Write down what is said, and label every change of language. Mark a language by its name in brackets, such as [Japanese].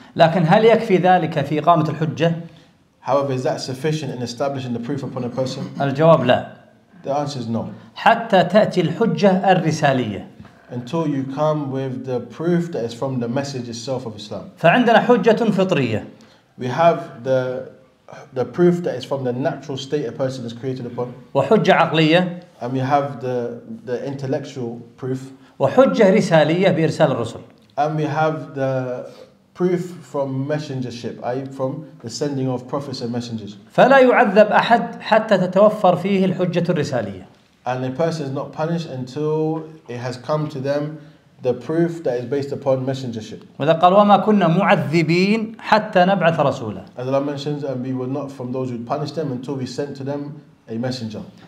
[Arabic] لكن هل يكفي ذلك في إقامة الحجة؟ [English] However, is that sufficient in establishing the proof upon a person? [Arabic] الجواب لا. [English] The answer is no. [Arabic] حتى تأتي الحجة الرسالية. [English] Until you come with the proof that is from the message itself of Islam. [Arabic] فعندنا حجة فطرية. [English] We have the proof that is from the natural state a person is created upon. [Arabic] وحجة عقلية. [English] And we have the intellectual proof. [Arabic] وحجة رسالية بإرسال الرسل. [English] And we have the proof from messengership, i.e. from the sending of prophets and messengers. [Arabic] فلا يعذب أحد حتى تتوفر فيه الحجة الرسالية. [English] And a person is not punished until it has come to them the proof that is based upon messengership. [Arabic] وذا قال وما كنا معذبين حتى نبعث رسولا. [English] As Allah mentions, and we were not from those who punished them until we sent to them a messenger.